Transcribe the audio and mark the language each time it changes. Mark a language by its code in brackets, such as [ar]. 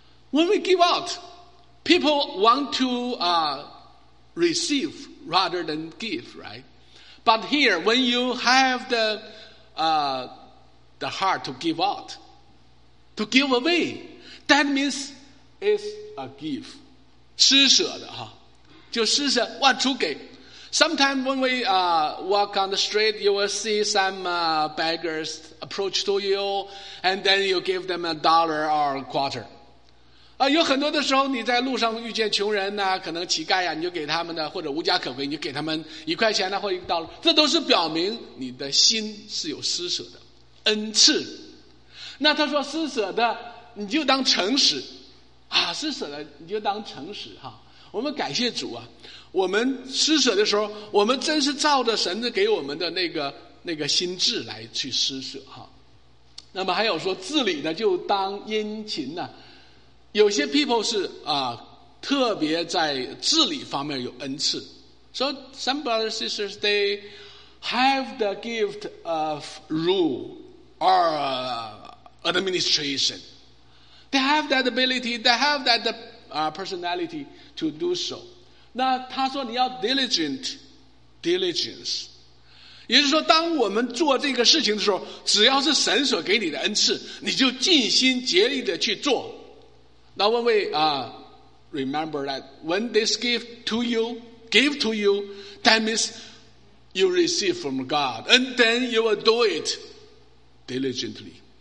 [en] When we give out, people want to receive rather than give, right? But here, when you have the heart to give out, to give away, that means it's a gift. [zh] 施舍的哈，就施舍，万出给。 [en] Sometimes when we walk on the street, you will see some beggars approach to you, and then you give them a dollar or a quarter. [zh] 有很多的时候你在路上遇见穷人啊，可能乞丐啊，你就给他们的，或者无家可归，你就给他们一块钱啊，或者一dollar，这都是表明你的心是有施舍的恩赐。那他说施舍的你就当诚实啊，施舍的你就当诚实哈。我们感谢主啊，我们施舍的时候，我们真是照着神的给我们的那个心智来去施舍哈。那么还有说治理的就当殷勤呢，有些 people 是特别在治理方面有恩赐。 [en] So some brothers sisters they have the gift of rule or administration. They have that ability. They have that personality to do so. [zh] 那他说你要 diligence， 也就是说当我们做这个事情的时候，只要是神所给你的恩赐，你就尽心竭力的去做。 [en] Now when we remember that when this gift to you, that means you receive from God, and then you will do it diligently.